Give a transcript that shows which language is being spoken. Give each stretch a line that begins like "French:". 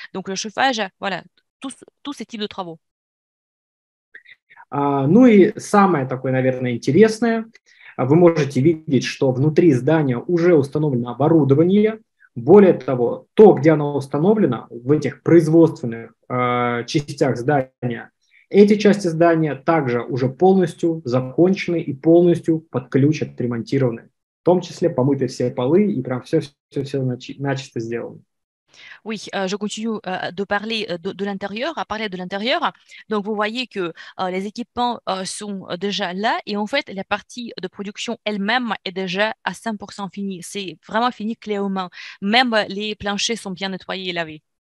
French: Donc, le chauffage, voilà, tous ces types de travaux.
Russian: Ну и самое такое, наверное, интересное. Вы можете видеть, что внутри здания уже установлено оборудование. Более того, то, где оно установлено, в этих производственных частях здания, эти части здания также уже полностью закончены и полностью подключат, отремонтированы. В том числе помыты все полы и прям все-все-все начисто сделано.
French: Oui, je continue de parler de l'intérieur, à parler de l'intérieur. Donc, vous voyez que les équipements sont déjà là et en fait, la partie de production elle-même est déjà à 100% finie. C'est vraiment fini clé aux mains. Même les planchers sont bien nettoyés et lavés.